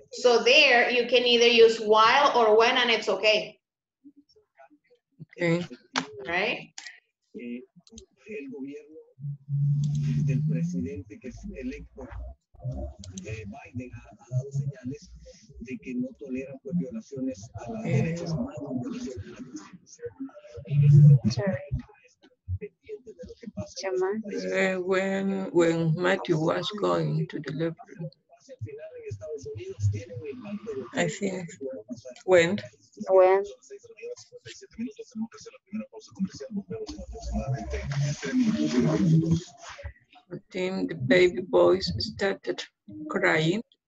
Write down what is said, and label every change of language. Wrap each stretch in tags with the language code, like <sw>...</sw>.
<en>So there, you can either use while or when, and it's okay. Okay. Right?</en> <es>El gobierno del presidente que es electo, Biden, ha dado señales de que no tolera violaciones a los derechos humanos.</es> <en>When Matthew was going to the library, I think when. Then the baby boys started crying.</en>